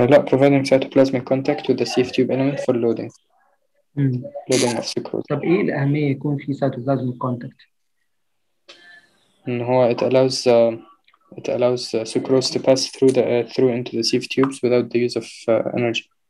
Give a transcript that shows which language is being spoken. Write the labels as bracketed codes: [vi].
[en] Providing cytoplasmic contact to the sieve tube element for loading. Loading of sucrose. [ar] طب ايه الاهمية يكون في cytoplasmic contact؟ [en] ان هو it allows sucrose to pass through the through into the sieve tubes without the use of energy.